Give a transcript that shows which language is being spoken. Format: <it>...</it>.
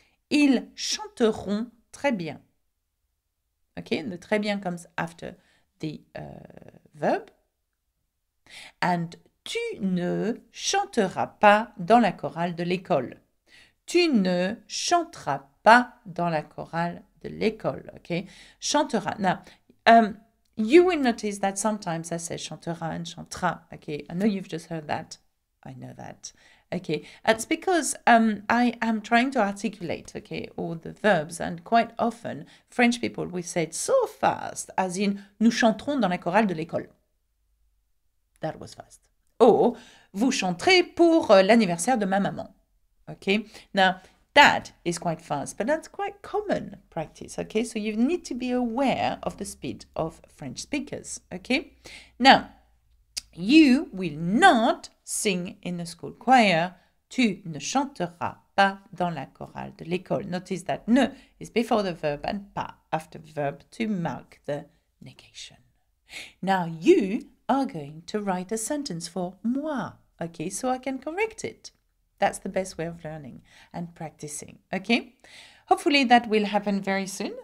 <fr>Ils chanteront très bien.</fr> <en>Okay, and the très bien comes after the verb.</en> <fr>And tu ne chanteras pas dans la chorale de l'école. Tu ne chanteras pas dans la chorale de l'école. Okay? Chantera.</fr> <en>Now, you will notice that sometimes I say chantera and chantera. Okay? I know you've just heard that. I know that. Okay? That's because I am trying to articulate, okay, all the verbs. And quite often, French people will say it so fast, as in,</en> <fr>nous chanterons dans la chorale de l'école.</fr> <en>That was fast.</en> <fr>Oh, vous chanterez pour l'anniversaire de ma maman.</fr> <en>Okay? Now, that is quite fast, but that's quite common practice. Okay? So you need to be aware of the speed of French speakers. Okay? Now, you will not sing in the school choir.</en> <fr>Tu ne chanteras pas dans la chorale de l'école.</fr> <en>Notice that ne is before the verb and pas after the verb to mark the negation. Now, you are going to write a sentence for moi, okay, so I can correct it. That's the best way of learning and practicing, okay? Hopefully that will happen very soon.</en>